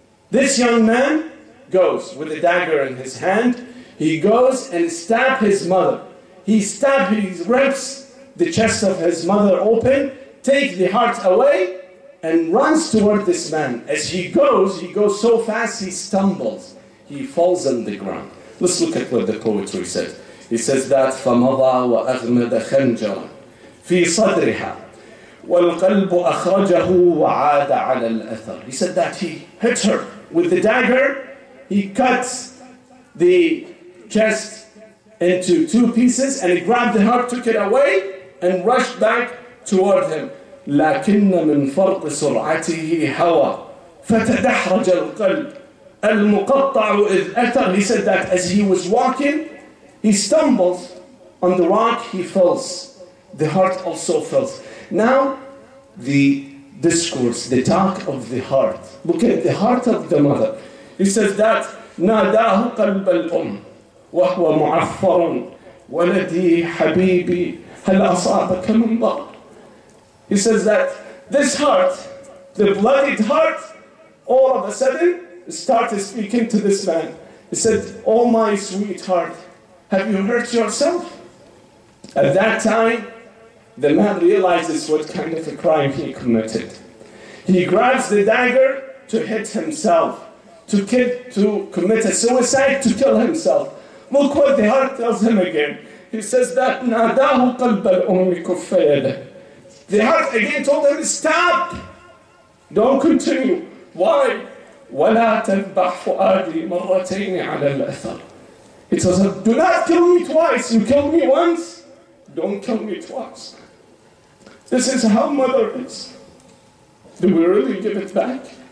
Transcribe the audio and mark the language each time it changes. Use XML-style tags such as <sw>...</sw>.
<en>This young man goes with a dagger in his hand. He goes and stabs his mother. He rips the chest of his mother open, take the heart away, and runs toward this man. As he goes so fast, he stumbles. He falls on the ground. Let's look at what the poetry says. He says that,</en> <ar>فَمَضَى وَأَغْمَدَ خَنْجَرًا فِي صَدْرِهَا وَالْقَلْبُ أَخْرَجَهُ وَعَادَ عَلَى الْأَثَرِ.</ar> <en>He said that he hit her with the dagger. He cuts the chest into two pieces, and he grabbed the heart, took it away, and rushed back toward him.</en> <ar>لَكِنَّ مِنْ فَرْقِ سُرْعَتِهِ هَوَى فَتَدَحْرَجَ الْقَلْبِ الْمُقَطَّعُ إِذْ أَثَرِ.</ar> <en>He said that as he was walking, he stumbles on the rock, he falls. The heart also falls. Now, the discourse, the talk of the heart. Look at the heart of the mother. He says that,</en> <ar>نَادَاهُ قَلْبَ الْأُمْ وَهُوَ مُعَفَّرٌ وَلَدِي حَبِيبِي هَلْ أَصَابَكَ مِنْ ضَرْ.</ar> <en>He says that this heart, the bloodied heart, all of a sudden started speaking to this man. He said, oh my sweetheart, have you hurt yourself? At that time, the man realizes what kind of a crime he committed. He grabs the dagger to hit himself, to commit a suicide, to kill himself. Look what the heart tells him again. He says that,</en> <ar>نَادَاهُ قَلْبَ الْأُمِّ كُفَّ يَدَهُ.</ar> <en>The heart again told him, stop! Don't continue. Why?</en> <ar>وَلَا تَنْبَحْ فُؤَادِي مَرَّتَيْنِ عَلَى الْأَثَرِ.</ar> <en>He tells him, do not kill me twice. You killed me once, don't kill me twice. This is how mother is. Do we really give it back?</en>